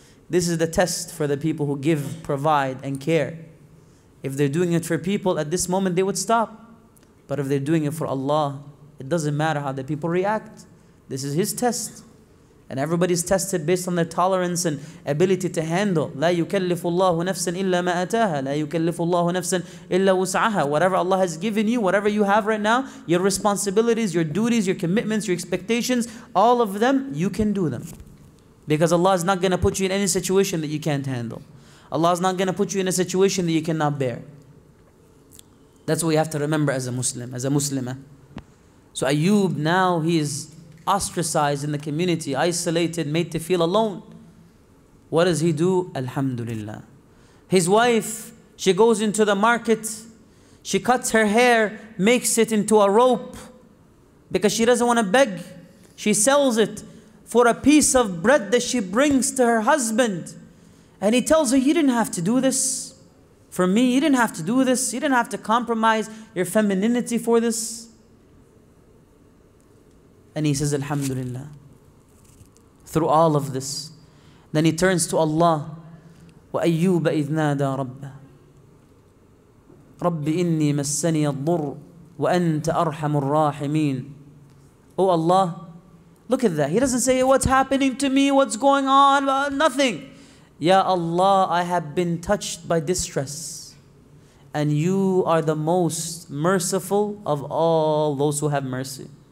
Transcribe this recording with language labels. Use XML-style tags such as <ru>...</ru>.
<en>This is the test for the people who give, provide, and care. If they're doing it for people, at this moment they would stop. But if they're doing it for Allah, it doesn't matter how the people react. This is his test. And everybody's tested based on their tolerance and ability to handle.</en> <ar>لا يكلف الله نفسا إلا ما أتاها. لا يكلف الله نفسا إلا وسعها.</ar> <en>Whatever Allah has given you, whatever you have right now, your responsibilities, your duties, your commitments, your expectations, all of them, you can do them. Because Allah is not going to put you in any situation that you can't handle. Allah is not going to put you in a situation that you cannot bear. That's what you have to remember as a Muslim, as a Muslimah. So Ayyub, now he is ostracized in the community, isolated, made to feel alone. What does he do? Alhamdulillah. His wife, she goes into the market, she cuts her hair, makes it into a rope, because she doesn't want to beg. She sells it for a piece of bread that she brings to her husband. And he tells her, you didn't have to do this for me. You didn't have to do this. You didn't have to compromise your femininity for this. And he says, Alhamdulillah. Through all of this, then he turns to Allah.</en> <ar>وَأَيُّوبَ إِذْ نَادَى رَبَّهُ رَبِّ إِنِّي مَسَّنِيَ الضُّرُّ وَأَنْتَ أَرْحَمُ الرَّاحِمِينَ.</ar> <en>Oh Allah, look at that. He doesn't say, what's happening to me? What's going on? Nothing. Ya Allah, I have been touched by distress. And you are the most merciful of all those who have mercy.</en>